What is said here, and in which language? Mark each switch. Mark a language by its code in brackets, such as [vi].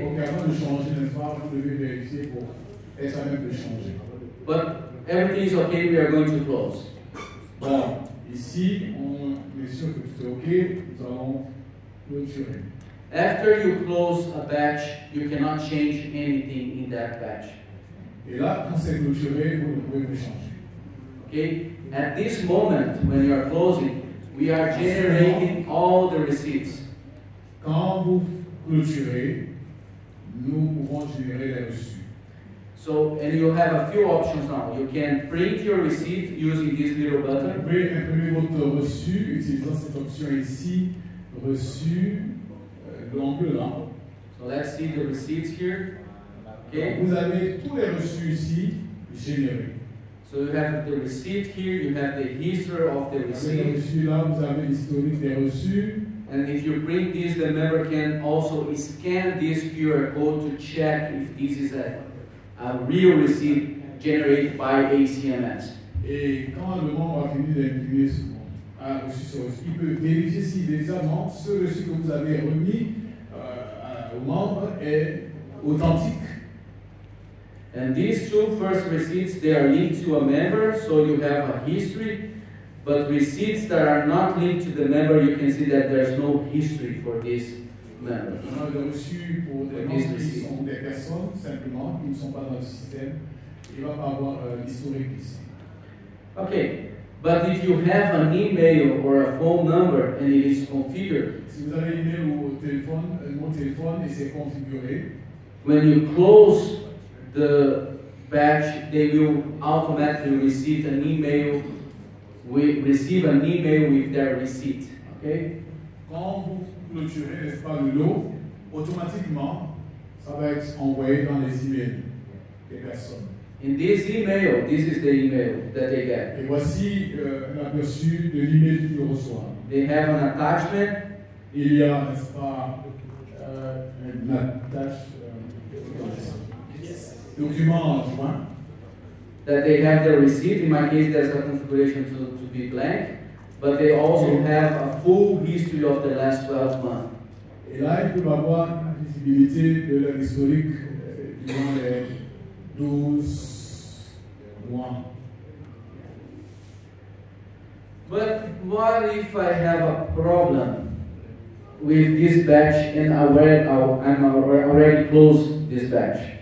[fr] Avant de changer, n'est-ce pas, vous devez vérifier pour être à même de changer. [en] But everything is okay, we are going to close. [fr] Bon. Ici, on est sûr que c'est OK, nous allons clôturer. [en] After you close a batch, you cannot change anything in that batch. [fr] Et là, quand c'est clôturé, vous ne pouvez plus changer. [en] Okay? At this moment, when you are closing, we are generating all the receipts. [fr] Quand vous clôturez, nous pouvons générer les reçus. [en] So, and you have a few options now. You can print your receipt using this little button. [fr] Vous pouvez imprimer votre reçu utilisant cette option ici, reçu, l'angle là. [en] So let's see the receipts here. Okay. [fr] Donc, vous avez tous les reçus ici générés. [en] So you have the receipt here, you have the history of the receipt. [fr] Avec le reçu là, vous avez l'historique des reçus. [en] And if you print this, the member can also scan this QR code to check if this is a real receipt generated by ACMS. [fr] Et quand le membre a fini d'imprimer son reçu sur reçu, il peut vérifier si exactement ce reçu que vous avez remis au membre est authentique. [en] And these two first receipts, they are linked to a member, so you have a history. But receipts that are not linked to the member, you can see that there's no history for this. [fr] On a des reçus pour des membres qui sont des personnes simplement qui ne sont pas dans le système. Il va pas avoir l'historique ici. [en] Okay, but if you have an email or a phone number and it is configured, [fr] si vous avez un email ou mon téléphone et c'est configuré, [en] when you close the batch, they will automatically receive an email. Receive an email with their receipt. Okay. [fr] Quand vous clôturez, n'est-ce pas, le lot, automatiquement, ça va être envoyé dans les emails des personnes. [en] In this email, this is the email that they get. [fr] Et voici un aperçu de l'email qu'ils reçoivent. [en] They have an attachment. [fr] Il y a, n'est-ce pas, un document joint. [en] That they have the receipt. In my case, there's a configuration to be blank. But they also have a full history of the last 12 months. [fr] Et là, ils peuvent avoir la visibilité de leur historique durant les 12 mois. [en] But what if I have a problem with this batch and I'm already closed this batch?